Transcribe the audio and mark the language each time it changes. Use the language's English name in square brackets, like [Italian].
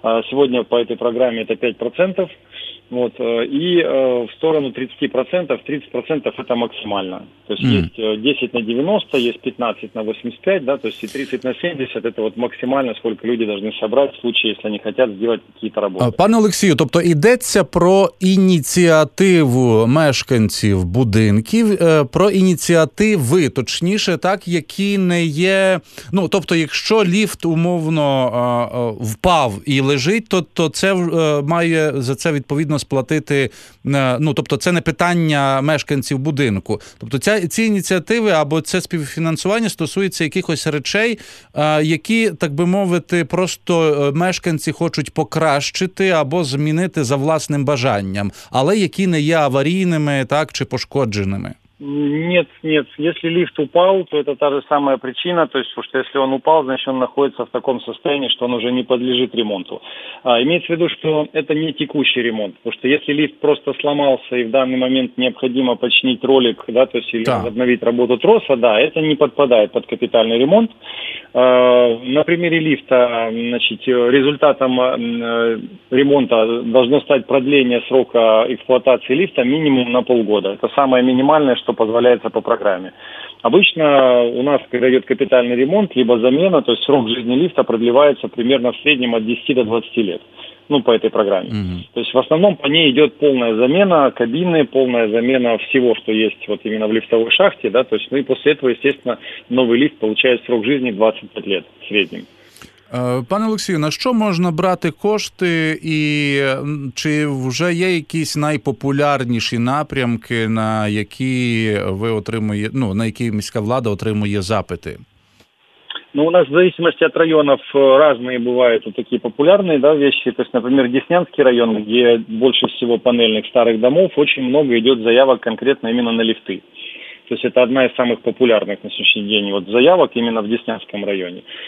[Russian] Сегодня по этой программе это 5%. Вот, и в сторону 30%, 30% это максимально. То есть есть 10 на 90, есть 15 на 85, да, то есть и 30 на 70 это вот максимально, сколько люди должны собрать в случае, если они хотят сделать какие-то работы. [Ukrainian] Пане Олексію, тобто йдеться про ініціативу мешканців будинків, про ініціативи, точніше, так, які не є, ну, тобто якщо ліфт умовно впав і лежить, то це має за це відповідно сплатити, ну, тобто це не питання мешканців будинку. Тобто ці ініціативи або це співфінансування стосується якихось речей, які, так би мовити, просто мешканці хочуть покращити або змінити за власним бажанням, але які не є аварійними, так, чи пошкодженими. [Russian] Нет, нет. Если лифт упал, то это та же самая причина. То есть, что если он упал, значит, он находится в таком состоянии, что он уже не подлежит ремонту. А имеется в виду, что это не текущий ремонт. Потому что если лифт просто сломался и в данный момент необходимо починить ролик, да, то есть, или обновить работу троса, да, это не подпадает под капитальный ремонт. На примере лифта, значит, результатом ремонта должно стать продление срока эксплуатации лифта минимум на полгода. Это самое минимальное, что позволяется по программе. Обычно у нас, когда идет капитальный ремонт, либо замена, то есть срок жизни лифта продлевается примерно в среднем от 10 до 20 лет, ну, по этой программе. Mm-hmm. То есть в основном по ней идет полная замена кабины, полная замена всего, что есть вот именно в лифтовой шахте, да, то есть, ну, и после этого, естественно, новый лифт получает срок жизни 25 лет в среднем. [Ukrainian] Пане Олексію, на що можна брати кошти і чи вже є якісь найпопулярніші напрямки, на які ви отримує, ну, на які міська влада отримує запити? [Russian] Ну, у нас в зависимости от районов разные бывают вот такие популярные, да, вещи. То есть, например, Деснянский район, где больше всего панельных старых домов, очень много идет заявок конкретно именно на лифты. То есть это одна из самых популярных на сегодняшний день вот заявок именно в Деснянском районе.